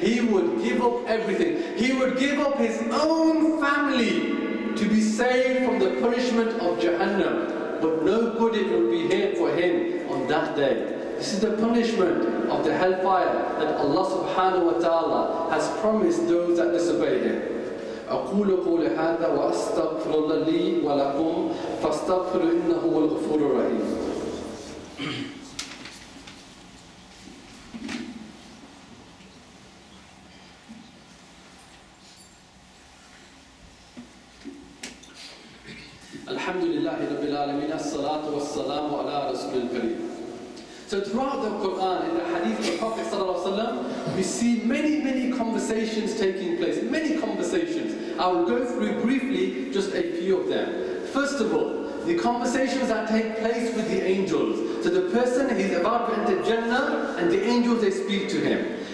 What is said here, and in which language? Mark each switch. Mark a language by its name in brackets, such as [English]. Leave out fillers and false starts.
[English] He would give up everything. He would give up his own family to be saved from the punishment of Jahannam. But no good it would be here for him on that day. This is the punishment of the hellfire that Allah subhanahu wa ta'ala has promised those that disobey him. [Arabic] أقول قول هذا وأستغفر الله لي ولكم فاستغفر إنه هو الغفور الرحيم. الحمد لله رب العالمين الصلاة والسلام على رسول الكريم. [English] So throughout the Quran, in the hadith of the Prophet [Arabic] صلى الله عليه وسلم, [English] we see many conversations taking place. Many conversations. I will go through briefly just a few of them. First of all, the conversations that take place with the angels. So the person, he's about to enter Jannah, and the angels, they speak to him.